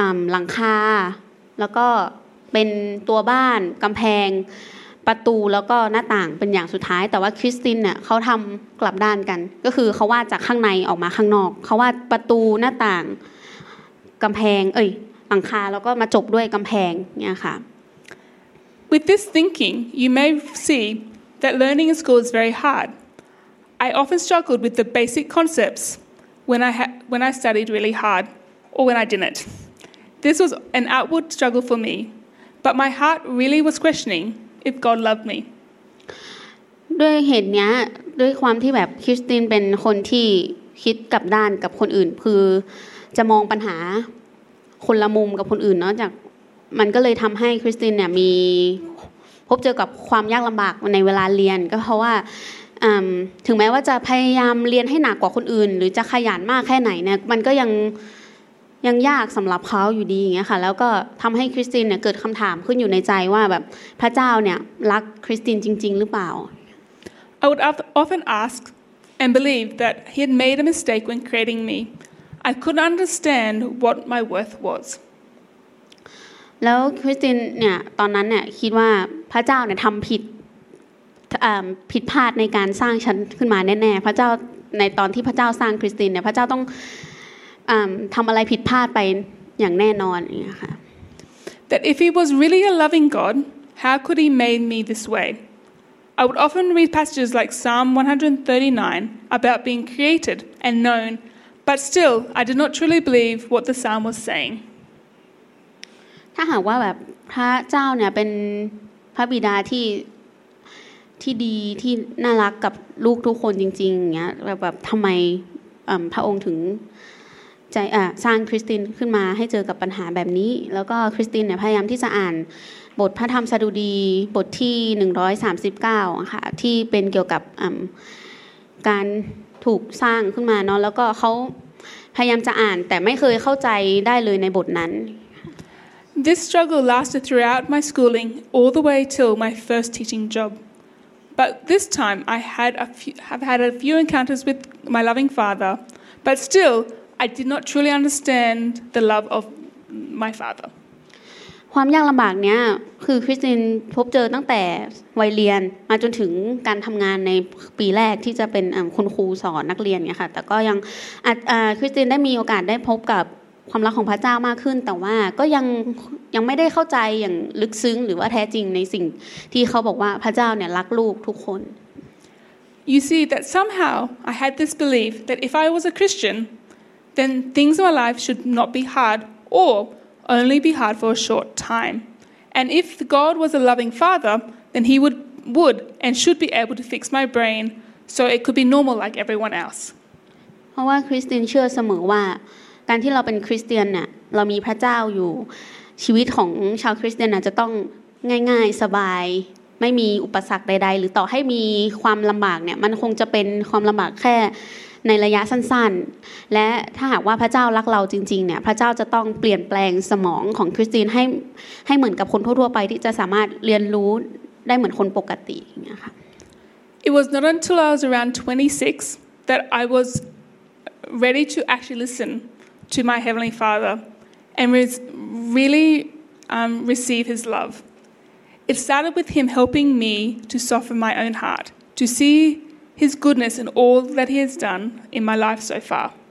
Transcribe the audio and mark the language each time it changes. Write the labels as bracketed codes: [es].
[th] หลังคาแล้วก็เป็นตัวบ้านกำแพงประตูแล้วก็หน้าต่างเป็นอย่างสุดท้ายแต่ว่าคริสตินเนี่ยเขาทำกลับด้านกันก็คือเขาวาดจากข้างในออกมาข้างนอกเขาวาดประตูหน้าต่างกำแพงเอ้ยหลังคาแล้วก็มาจบด้วยกำแพงเนี่ยค่ะ [en] With this thinking you may see that learning in school is very hard. I often struggled with the basic concepts when I studied really hard or when I didn't. This was an outward struggle for me, but my heart really was questioning. If God loved me. [th] ด้วยเหตุเนี้ยด้วยความที่แบบคริสตินเป็นคนที่คิดกลับด้านกับคนอื่นคือจะมองปัญหาคนละมุมกับคนอื่นเนาะจากมันก็เลยทำให้คริสตินเนี่ยมีพบเจอกับความยากลำบากในเวลาเรียนก็เพราะว่าถึงแม้ว่าจะพยายามเรียนให้หนักกว่าคนอื่นหรือจะขยันมากแค่ไหนเนี่ยมันก็ยังยากสำหรับเขาอยู่ดีอย่างเงี้ยค่ะแล้วก็ทำให้คริสตินเนี่ยเกิดคำถามขึ้นอยู่ในใจว่าแบบพระเจ้าเนี่ยรักคริสตินจริงๆหรือเปล่า [en] I would often ask and believe that he had made a mistake when creating me. I couldn't understand what my worth was. [th] แล้วคริสตินเนี่ยตอนนั้นเนี่ยคิดว่าพระเจ้าเนี่ยทำผิดพลาดในการสร้างฉันขึ้นมาแน่ๆพระเจ้าในตอนที่พระเจ้าสร้างคริสตินเนี่ยพระเจ้าต้องทำอะไรผิดพลาดไปอย่างแน่นอนเนี่ยค่ะ [en] That if he was really a loving God, how could he made me this way? I would often read passages like Psalm 139 about being created and known, but still I did not truly believe what the Psalm was saying. [th] ถ้าหากว่าแบบพระเจ้าเนี่ยเป็นพระบิดาที่ดีที่น่ารักกับลูกทุกคนจริงๆเนี่ยแบบทำไมพระองค์ถึงใจสร้างคริสตินขึ้นมาให้เจอกับปัญหาแบบนี้แล้วก็คริสตินเนี่ยพยายามที่จะอ่านบทพระธรรมสดุดีบทที่139ค่ะที่เป็นเกี่ยวกับการถูกสร้างขึ้นมาเนาะแล้วก็เขาพยายามจะอ่านแต่ไม่เคยเข้าใจได้เลยในบทนั้น [en] This struggle lasted throughout my schooling all the way till my first teaching job but this time I have had a few encounters with my loving father but stillI did not truly understand the love of my father. [th] ความยากลำบากเนี้ยคือคริสตินพบเจอตั้งแต่วัยเรียนมาจนถึงการทำงานในปีแรกที่จะเป็นคุณครูสอนนักเรียนเนี้ยค่ะแต่ก็ยังคริสตินได้มีโอกาสได้พบกับความรักของพระเจ้ามากขึ้นแต่ว่าก็ยังไม่ได้เข้าใจอย่างลึกซึ้งหรือว่าแท้จริงในสิ่งที่เขาบอกว่าพระเจ้าเนี้ยรักลูกทุกคน [en] You see that somehow I had this belief that if I was a Christian. Then things in my life should not be hard, or only be hard for a short time. And if God was a loving father, then he would and should be able to fix my brain so it could be normal like everyone else. [th] เพราะว่าคริสเตียนเชื่อเสมอว่าการที่เราเป็นคริสเตียนเนี่ยเรามีพระเจ้าอยู่ชีวิตของชาวคริสเตียนจะต้องง่ายๆสบายไม่มีอุปสรรคใดๆหรือต่อให้มีความลำบากเนี่ยมันคงจะเป็นความลำบากแค่ในระยะสั้นๆและถ้าหากว่าพระเจ้ารักเราจริงๆเนี่ยพระเจ้าจะต้องเปลี่ยนแปลงสมองของคริสตินให้เหมือนกับคนทั่วๆไปที่จะสามารถเรียนรู้ได้เหมือนคนปกติอย่างเงี้ยค่ะ [en] It was not until I was around 26 that I was ready to actually listen to my heavenly father and really receive his love. It started with him helping me to soften my own heart to seeHis goodness and all that he has done in my life so far.